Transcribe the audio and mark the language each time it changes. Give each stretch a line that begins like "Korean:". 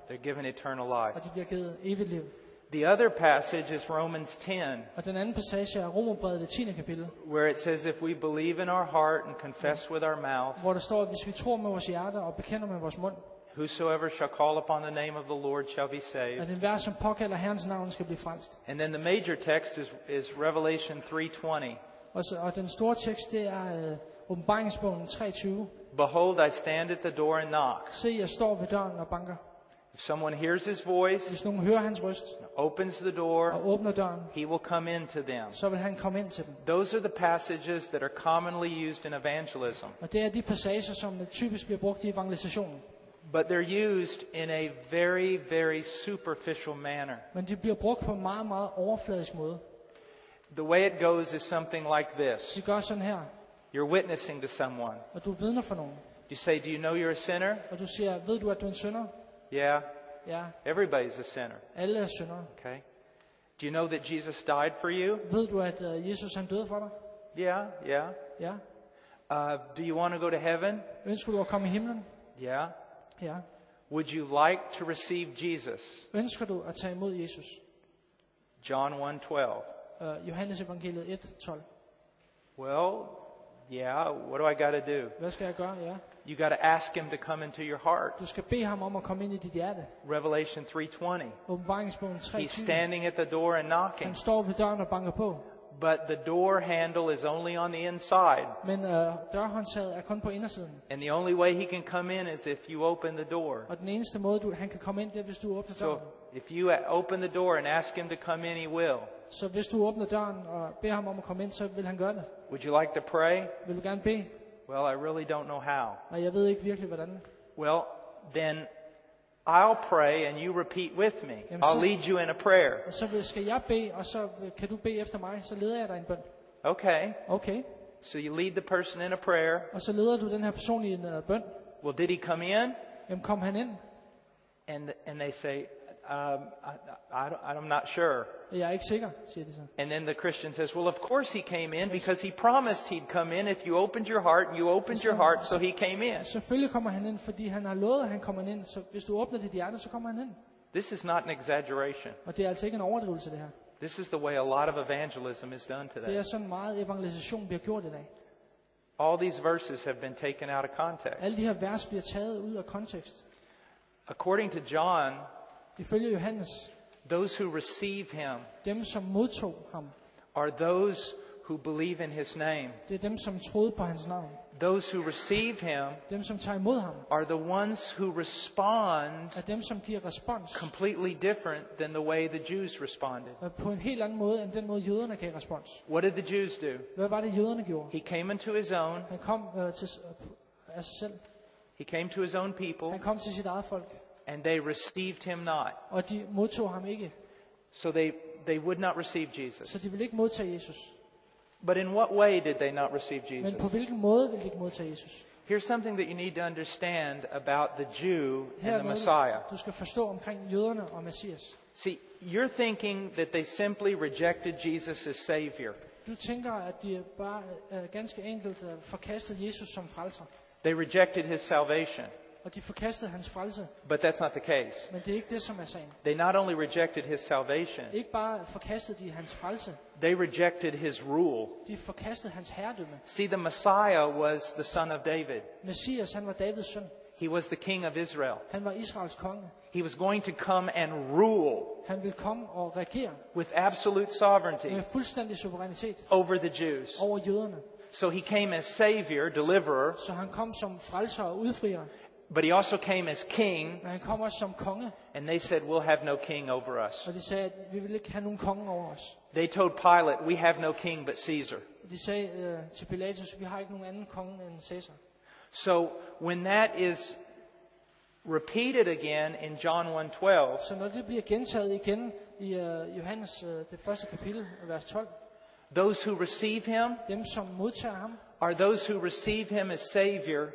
English: They're given eternal life.
Danish: Og de bliver givet evigt liv.
English: The other passage is Romans 10.
Danish: Og den anden passage er Romerbrevet det 10. kapitel.
English: Where it says if we believe in our heart and confess with our mouth.
Danish: Hvor der står at hvis vi tror med vores hjerte og bekender med vores mund.
English: Whosoever shall call upon the name of the Lord shall be saved.
Danish: At enhver som påkalder Herrens navn skal blive frelst.
English: And then the major text is Revelation 3:20.
Danish: Og den store tekst det er Åbenbaringsbogen 3:20.
English: Behold, I stand at the door and knock.
Danish: Se, jeg står ved døren og banker.
English: If someone hears his voice,
Danish: hvis nogen hører hans røst,
English: opens the door,
Danish: og åbner døren,
English: he will come in to them.
Danish: Så vil han komme ind til dem.
English: Those are the passages that are commonly used in evangelism.
Danish: Og det er de passager, som typisk bliver brugt i evangelisationen.
English: But they're used in a very, very superficial manner.
Danish: Men de bliver brugt på en meget, meget overfladisk måde.
English: The way it goes is something like this.
Danish: De gør sådan her.
English: You're witnessing to someone.
Danish: Og du vidner for nogen.
English: You say, "Do you know you're a sinner?"
Danish: Og du siger, ved du at du er en synder?
English: Yeah. Yeah. Everybody's a sinner.
Danish: Alle er syndere.
English: Okay. Do you know that Jesus died for you?
Danish: Ved du at Jesus han døde for dig?
English: Yeah. Yeah. Yeah. Do you want to go to heaven?
Danish: Ønsker du at komme i himlen?
English: Yeah. Yeah. Would you like to receive Jesus?
Danish: Ønsker du at tage imod Jesus?
English: John 1:12.
Danish: Johannes evangeliet 1:12.
English: Well, yeah, what do I got to do?
Danish: Hvad skal jeg gøre? Ja.
English: You got to ask him to come into your heart.
Danish: Du skal bede ham om at komme ind i dit hjerte.
English: Revelation 3:20.
Danish: Åbenbaringsbogen 3:20.
English: He's standing at the door and knocking.
Danish: Han står ved døren og banker på.
English: But the door handle is only on the inside.
Danish: Men dørhåndtaget er kun på indersiden.
English: And the only way he can come in is if you open the door.
Danish: Og den eneste måde han kan komme ind, det er hvis du åbner døren.
English: If you open the door and ask him to come in, he will.
Danish: Så hvis du åbner døren og beder ham om at komme ind, så vil han gøre det.
English: Would you like to pray?
Danish: Vil du gerne bede?
English: Well, I really don't know how.
Danish: Og jeg ved ikke virkelig hvordan.
English: Well, then I'll pray and you repeat with me. I'll lead you in a prayer.
Danish: Så skal jeg bede, og så kan du bede efter mig, så leder jeg dig en bøn.
English: Okay. Okay. So you lead the person in a prayer.
Danish: Og så leder du den her person i en bøn.
English: Well, did he come in?
Danish: Jamen, kom han ind?
English: And they say, I'm not sure.
Danish: Jeg er ikke sikker, siger de så.
English: And then the Christian says, well, of course he came in because he promised he'd come in if you opened your heart and you opened your heart, so he came in.
Danish: Selvfølgelig kommer han ind, fordi han har lovet, han kommer ind. Så hvis du åbner dit hjerte, så kommer han ind.
English: This is not an exaggeration.
Danish: Og det er altså ikke en overdrivelse, det her.
English: This is the way a lot of evangelism is done today.
Danish: Det er sådan meget evangelisation bliver gjort i dag.
English: All these verses have been taken out of context.
Danish: Alle de her vers bliver taget ud af kontekst.
English: According to John,
Danish: ifølge Johannes,
English: those who receive him,
Danish: dem som modtog ham,
English: are those who believe in his name.
Danish: Det er dem som troede på hans navn.
English: Those who receive him,
Danish: dem som tager imod ham,
English: are the ones who respond.
Danish: Er dem som giver respons.
English: Completely different than the way the Jews responded.
Danish: På en helt anden måde end den måde jøderne gav respons.
English: What did the Jews do?
Danish: Hvad var det jøderne gjorde?
English: He came into his own.
Danish: Han kom til af sig selv.
English: He came to his own people.
Danish: Han kom til sit eget folk.
English: And they received him not.
Danish: Og de modtog ham ikke.
English: So they would not receive Jesus.
Danish: Så de ville ikke modtage Jesus.
English: But in what way did they not receive Jesus?
Danish: Men på hvilken måde ville de ikke modtage Jesus?
English: Here's something that you need to understand about the Jew and the Messiah.
Danish: Du skal forstå omkring jøderne og Messias.
English: See, you're thinking that they simply rejected Jesus as savior.
Danish: Du tænker at de bare ganske enkelt forkastede Jesus som frelser.
English: They rejected his salvation.
Danish: Og de forkastede hans frelse.
English: But that's not the case.
Danish: Men det er ikke det som er sagen.
English: They not only rejected his salvation.
Danish: Ikke bare forkastede de hans frelse.
English: They rejected his rule.
Danish: De forkastede hans herredømme.
English: See, the Messiah was the son of David.
Danish: Messias, han var Davids søn.
English: He was the king of Israel.
Danish: Han var Israels konge.
English: He was going to come and rule.
Danish: Han ville komme og regere.
English: With absolute sovereignty.
Danish: Med fuldstændig suverænitet.
English: Over the Jews.
Danish: Over jøderne.
English: So he came as savior, deliverer.
Danish: Så han kom som frelser og udfrier.
English: But he also came as king.
Danish: Men han kom også som konge.
English: And they said, "We'll have no king over us."
Danish: Og de sagde, vi vil ikke have nogen konge over os.
English: They told Pilate, "We have no king but Caesar."
Danish: De sagde til Pilatus, vi har ikke nogen anden konge end Caesar.
English: So when that is repeated again in John 1:12.
Danish: Så når det bliver gentaget igen i Johannes det første kapitel vers 12.
English: Those who receive him,
Danish: dem som modtager ham,
English: are those who receive him as savior,